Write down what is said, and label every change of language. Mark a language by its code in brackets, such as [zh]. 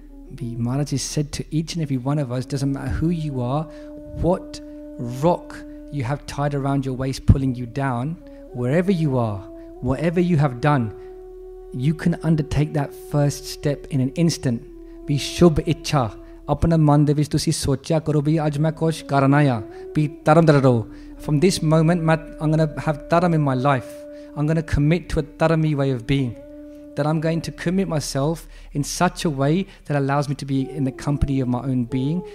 [en] Maharaj has said to each and every one of us, doesn't matter who you are, what rock you have tied around your waist pulling you down, wherever you are, whatever you have done, you can undertake that first step in an instant. [pa] ਬਈ ਸ਼ੁਭ ਇੱਛਾ. ਅਪਣਾ ਮਨ ਦੇ ਵਿਚ ਤੁਸੀ ਸੋਚਾ ਕਰੋ ਭੀ ਆਜ ਮੈਂ ਕੁਛ ਕਰਨਾ ਯਾ. ਬਈ ਤਰਮ ਦਰੋ. [en] From this moment, I'm going to have taram in my life. I'm going to commit to a tarami way of being. That I'm going to commit myself in such a way that allows me to be in the company of my own being.